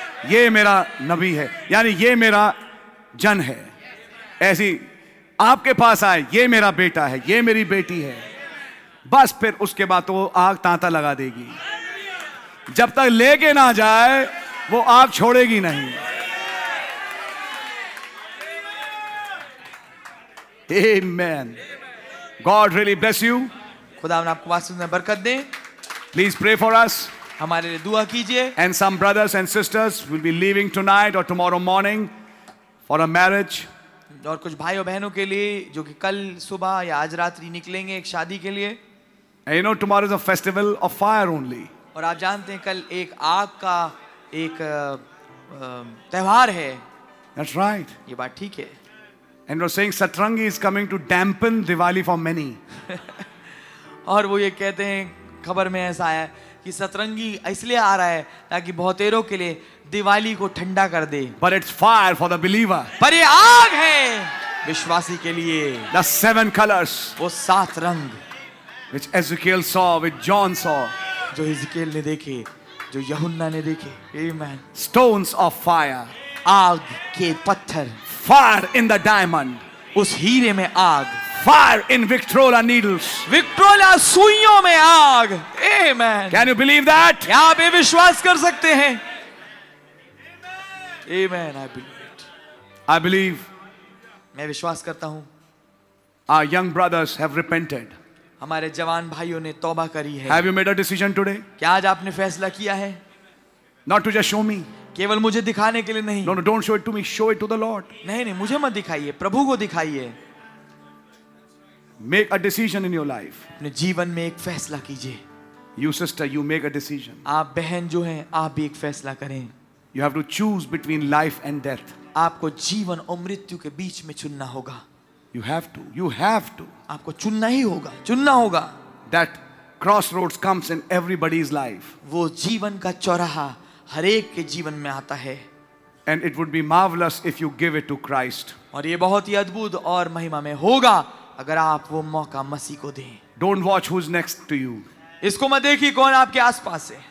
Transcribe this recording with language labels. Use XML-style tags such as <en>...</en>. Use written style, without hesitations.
<hi>ये मेरा नबी है, यानी ये मेरा जन है, ऐसी आपके पास आए, ये मेरा बेटा है, ये मेरी बेटी है, बस फिर उसके बाद तो आग तांता लगा देगी, जब तक लेके ना जाए वो आग छोड़ेगी नहीं।</hi> <en>Amen. God really bless you.</en> <hi>खुदावन आपको वास्तव में बरकत दे।</hi> <en>Please pray for us.</en> <hi>हमारे लिए दुआ कीजिए।</hi> <en>And some brothers and sisters will be leaving tonight or tomorrow morning for a marriage.</en> <hi>और कुछ भाई और बहनों के लिए जो कि कल सुबह या आज रात्रि निकलेंगे एक शादी के लिए।</hi> <en>And you know tomorrow is a festival of fire only.</en> <hi>और आप जानते हैं कल एक आग का एक त्योहार है।</hi> <en>That's right.</en> <hi>ये बात ठीक है।</hi> <en>And we're saying Satrangi is coming to dampen Diwali for many.</en> <hi>और वो ये कहते हैं खबर में ऐसा आया कि सतरंगी इसलिए आ रहा है ताकि बहुतेरों के लिए दिवाली को ठंडा कर दे।</hi> <en>But it's fire for the believer.</en> <hi>पर ये आग है विश्वासी के लिए।</hi> <en>The seven colors.</en> <hi>वो सात रंग।</hi> <en>Which Ezekiel saw, which John saw.</en> <hi>जो Ezekiel ने देखे, जो यहुन्ना ने देखे।</hi> <en>Amen. Stones of fire.</en> <hi>आग के पत्थर।</hi> <en>Fire in the diamond.</en> <hi>उस हीरे में आग।</hi> <en>Fire in Victrola needles.</en> <hi>Victrola सुइयों में आग।</hi> <en>Amen. Can you believe that?</en> <hi>क्या आप ये विश्वास कर सकते हैं?</hi> <en>Amen. I believe it. I believe.</en> <hi>मैं विश्वास करता हूँ।</hi> <en>Our young brothers have repented.</en> <hi>हमारे जवान भाइयों ने तौबा करी है।</hi> <en>Have you made a decision today?</en> <hi>क्या आज आपने फैसला किया है?</hi> <en>Not to just show me.</en> <hi>केवल मुझे दिखाने के लिए नहीं।</hi> <en>No, no, don't show it to me. Show it to the Lord.</en> <hi>नहीं नहीं मुझे मत दिखाइए, प्रभु को दिखाइए।</hi> <en>Make a decision in your life.</en> <hi>अपने जीवन में एक फैसला कीजिए।</hi> <en>You sister, you make a decision.</en> <hi>आप बहन जो हैं, आप भी एक फैसला करें।</hi> <en>You have to choose between life and death.</en> <hi>आपको जीवन और मृत्यु के बीच में चुनना होगा।</hi> <en>You have to.</en> <hi>आपको चुनना ही होगा, चुनना होगा।</hi> <en>That crossroads comes in everybody's life.</en> <hi>वो जीवन का चौराहा हरेक के जीवन में आता है।</hi> <en>And it would be marvellous if you give it to Christ.</en> <hi>और ये बहुत ही अद्भुत और महिमा में होगा अगर आप वो मौका मसीह को दें।</hi> <en>Don't watch who is next to you.</en> <hi>इसको मत देखिए कौन आपके आसपास है।</hi>